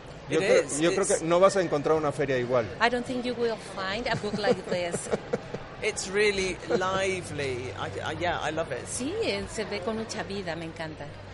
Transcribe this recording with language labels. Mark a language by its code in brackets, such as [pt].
[es] Yo creo que no vas a encontrar una feria igual. [en] I don't think you will find a book like this. It's really lively. Yeah, I love it. [es] Sí, se ve con mucha vida, me encanta.